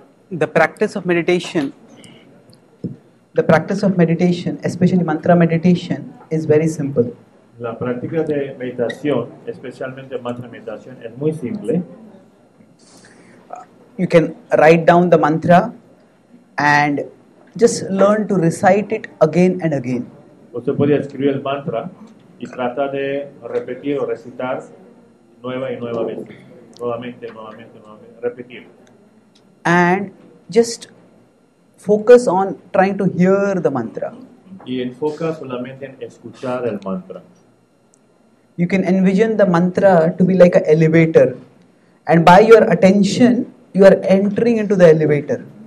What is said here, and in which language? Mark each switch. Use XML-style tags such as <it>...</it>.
<en>The practice of meditation, especially mantra meditation, is very simple.</en> <es>La práctica de meditación, especialmente mantra meditación, es muy simple.</es> <en>You can write down the mantra and just learn to recite it again and again.</en> <es>Usted puede escribir el mantra y trata de repetir o recitar nueva y nueva vez. nuevamente, repetir.</es> <en>And just focus on trying to hear the mantra.</en> <es>Y enfoca solamente en escuchar el mantra.</es> <en>You can envision the mantra to be like an elevator. And by your attention, you are entering into the elevator.</en>